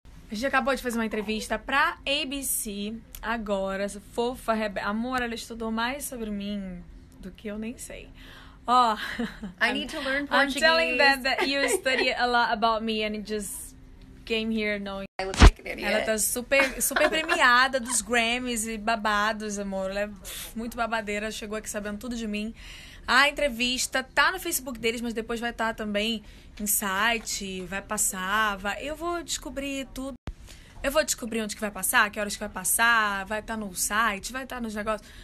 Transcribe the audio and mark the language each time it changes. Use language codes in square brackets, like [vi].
[pt] A gente acabou de fazer uma entrevista pra ABC, agora, essa fofa, amor, ela estudou mais sobre mim do que eu nem sei. Ó, oh, [en] I need to learn Portuguese. I'm telling them that you study a lot about me and just came here knowing. I look like an idiot. [pt] Ela tá super premiada dos Grammys e babados, amor. Ela é muito babadeira, chegou aqui sabendo tudo de mim. A entrevista tá no Facebook deles, mas depois vai estar também em site, vai passar, vai... Eu vou descobrir tudo. Eu vou descobrir onde que vai passar, que horas que vai passar, vai estar no site, vai estar nos negócios.